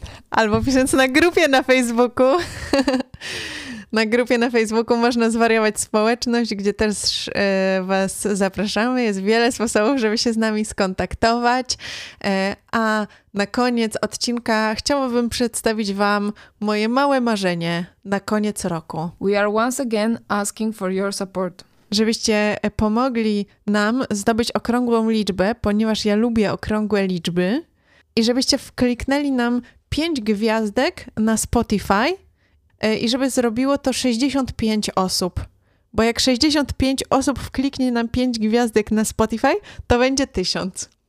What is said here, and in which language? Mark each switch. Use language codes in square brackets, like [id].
[pl] Albo pisząc na grupie na Facebooku. Na grupie na Facebooku można zwariować społeczność, gdzie też was zapraszamy. Jest wiele sposobów, żeby się z nami skontaktować. A na koniec odcinka chciałabym przedstawić wam moje małe marzenie na koniec roku. [en] We are once again asking for your support. [pl] Żebyście pomogli nam zdobyć okrągłą liczbę, ponieważ ja lubię okrągłe liczby. I żebyście kliknęli nam 5 gwiazdek na Spotify. I żeby zrobiło to 65 osób. Bo jak 65 osób kliknie nam 5 gwiazdek na Spotify, to będzie 1000.